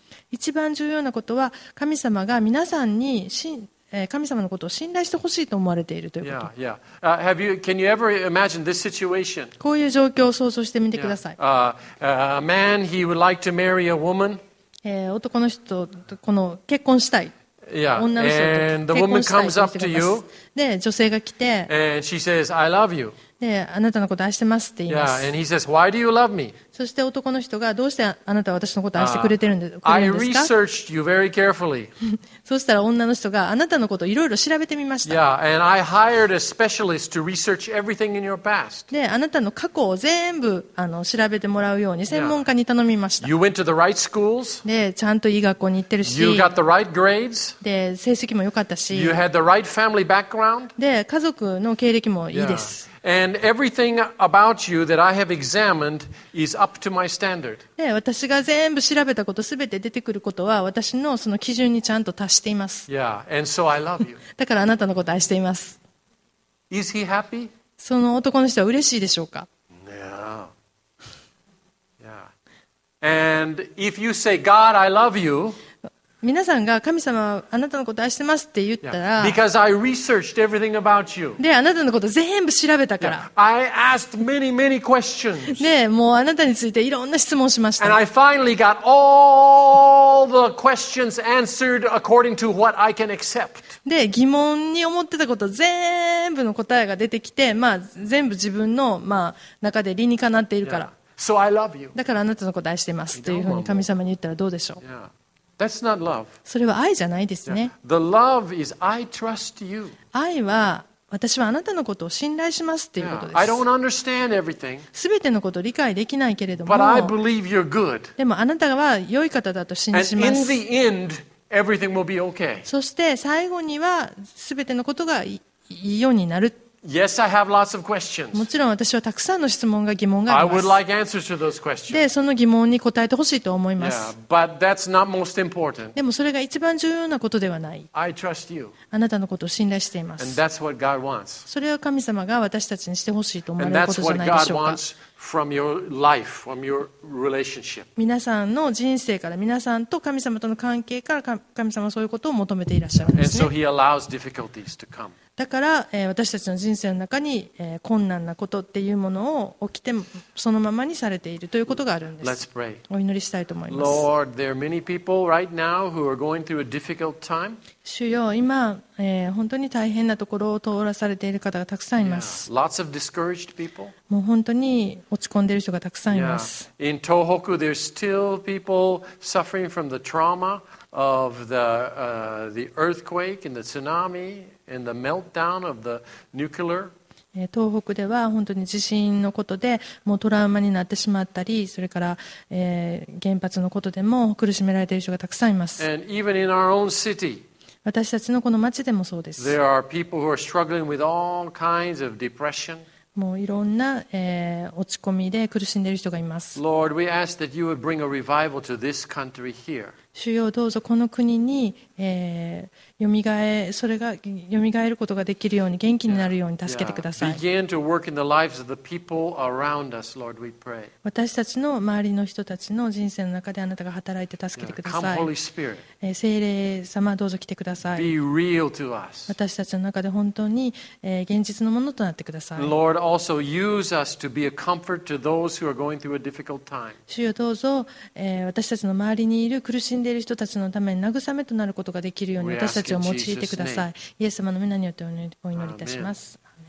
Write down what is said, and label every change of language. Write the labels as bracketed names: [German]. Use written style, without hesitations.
[Japanese] 一番重要なことは、神様が皆さんに神様のことを信頼してほしいと思われているということ。 [English] Yeah, yeah. Have you, can you ever imagine this situation? [Japanese] こういう状況を想像してみてください。 [English] A man, he would like to marry a woman. [Japanese] 男の人とこの結婚したい。 [English] Yeah. And the woman comes up to you. [Japanese] で、女性が来て。 [English] And she says, I love you. [Japanese] で、あなたのこと愛してますって言います。 [English] Yeah. And he says, why do you love me? [Japanese] そして男の人が、どうしてあなたは私のこと愛してくれてるんですか? [English] I researched you very carefully. [Japanese] そしたら女の人が、あなたのことをいろいろ調べてみました。 [English] Yeah. And I hired a specialist to research everything in your past. [Japanese] で、あなたの過去を全部調べてもらうように専門家に頼みました。 [English] You went to the right schools. [Japanese] で、ちゃんといい学校に行ってるし。 [English] You got the right grades. [Japanese] で、成績も良かったし。 [English] You had the right family background. [Japanese] で、家族の経歴もいいです。 [English] Yeah. And everything about you that I have examined is up to my standard. [Japanese] 私が全部調べたこと、すべて出てくることは私のその基準にちゃんと達しています。 [English] Yeah, and so I love you. [Japanese] だからあなたのこと愛しています。 [English] Is he happy? [Japanese] その男の人は嬉しいでしょうか? [English] Yeah. Yeah. And if you say, God, I love you. [Japanese] 皆さんが神様あなたのこと愛してますって言ったら、 [English] yeah. Because I researched everything about you. [Japanese] で、あなたのこと全部調べたから、 [English] yeah. I asked many, many questions. [Japanese] で、もうあなたについていろんな質問しました。 [English] And I finally got all the questions answered according to what I can accept. [Japanese] で、疑問に思ってたこと全部の答えが出てきて、まあ、全部自分の、まあ、中で理にかなっているから、 [English] yeah. So I love you. [Japanese] だからあなたのこと愛してますというふうに神様に言ったらどうでしょう。 [English] yeahThat's not love. [Japanese] それは愛じゃないですね。 [English] Yeah. The love is I trust you. [Japanese] 愛は私はあなたのことを信頼しますっていうことです。 [English] Yeah. I don't understand everything. [Japanese] すべてのことを理解できないけれども。 [English] But I believe you're good. [Japanese] でもあなたは良い方だと信じます。 [English] And in the end, everything will be okay. [Japanese] そして最後にはすべてのことがいいようになる。 [English] Yes, I have lots of questions. [Japanese] もちろん私はたくさんの質問が疑問があります。 [English] I would like answers to those questions. [Japanese] で、その疑問に答えてほしいと思います。 [English] Yeah, but that's not most important. [Japanese] でもそれが一番重要なことではない。 [English] I trust you. [Japanese] あなたのことを信頼しています。 [English] And that's what God wants. [Japanese] それは神様が私たちにしてほしいと思われることじゃないでしょうか。 [English] And that's what God wants from your life, from your relationship. [Japanese] 皆さんの人生から、皆さんと神様との関係から、神様はそういうことを求めていらっしゃるんですね。 [English] And so He allows difficulties to come. [Japanese] だから、私たちの人生の中に、困難なことっていうものを起きてそのままにされているということがあるんです。 [English] Let's pray. [Japanese] お祈りしたいと思います。 [English] Lord, there are many people right now who are going through a difficult time. [Japanese] 主よ、今、本当に大変なところを通らされている方がたくさんいます。 [English] Yeah. Lots of discouraged people. [Japanese] もう本当に落ち込んでいる人がたくさんいます。 [English] Yeah. In Tohoku, there's still people suffering from the trauma of the earthquake and the tsunami. And the meltdown of the nuclear. [Japanese] 東北では本当に地震のことでもうトラウマになってしまったり、それから、原発のことでも苦しめられている人がたくさんいます。 [English] And even in our own city, [Japanese] 私たちのこの町でもそうです。 [English] There are people who are struggling with all kinds of depression. [Japanese] もういろんな、落ち込みで苦しんでいる人がいます。 [English] Lord, we ask that you would bring a revival to this country here. [Japanese] 主よ、どうぞこの国に蘇え、それが蘇ることができるように元気になるように助けてください。 [English] Yeah, yeah. Begin to work in the lives of the people around us, Lord, we pray. [Japanese] 私たちの周りの人たちの人生の中であなたが働いて助けてください。 [English] Yeah. Come, Holy Spirit. [Japanese] 聖霊様どうぞ来てください。 [English] Be real to us. [Japanese] 私たちの中で本当に、現実のものとなってください。 [English] Lord, also use us to be a comfort to those who are going through a difficult time. [Japanese] 主よどうぞ、私たちの周りにいる苦しんでいる人たちのために慰めとなることができるように私たちを用いてください。イエス様の皆によってお祈りいたします。Amen.